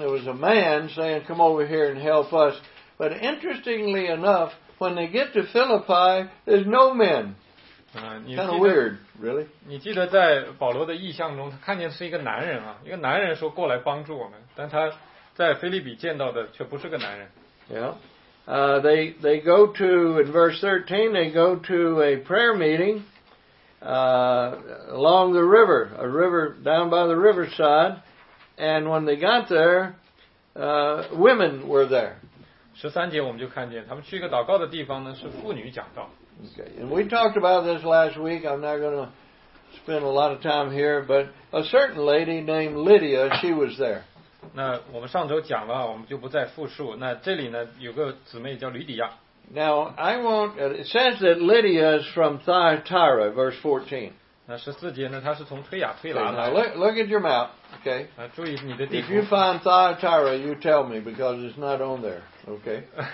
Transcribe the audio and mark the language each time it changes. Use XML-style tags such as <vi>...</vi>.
<en>It was a man saying, come over here and help us. But interestingly enough, when they get to Philippi, there's no men. Kind of weird, really.</en> <zh>你记得在保罗的异象中，他看见是一个男人啊，一个男人说过来帮助我们，但他在腓立比见到的却不是个男人。</zh> <en>Yeah. They go to, in verse 13, they go to a prayer meeting, along the river, a river down by the riverside. And when they got there, women were there.</en> <zh>13节我们就看见他们去一个祷告的地方呢是妇女讲道。</zh> <en>Okay, and we talked about this last week. I'm not going to spend a lot of time here, but a certain lady named Lydia, she was there.</en> <zh>那我们上周讲了，我们就不再复述。那这里呢，有个姊妹叫吕底亚。</zh> <en>Now I want. It says that Lydia is from Thyatira, verse 14.</en> <zh>那十四节呢，她是从推雅推拉来的。</zh> <en>Okay, now look at your map, okay?</en> <zh>啊，注意你的地图。</zh> <en>If you find Thyatira, you tell me because it's not on there, okay?</en>